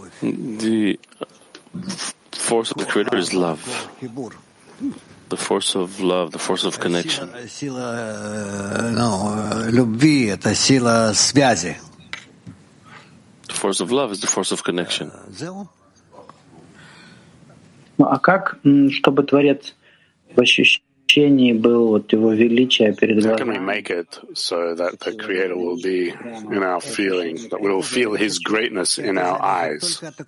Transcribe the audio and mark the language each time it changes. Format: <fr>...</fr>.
<en>The force of the Creator is love. The force of love, the force of connection. The force of love is the force of connection.</en> <ru>А как, чтобы творец в ощущении был вот его величие перед нами?</ru> <en>How can we make it so that the Creator will be in our feeling, that we will feel His greatness in our eyes?</en>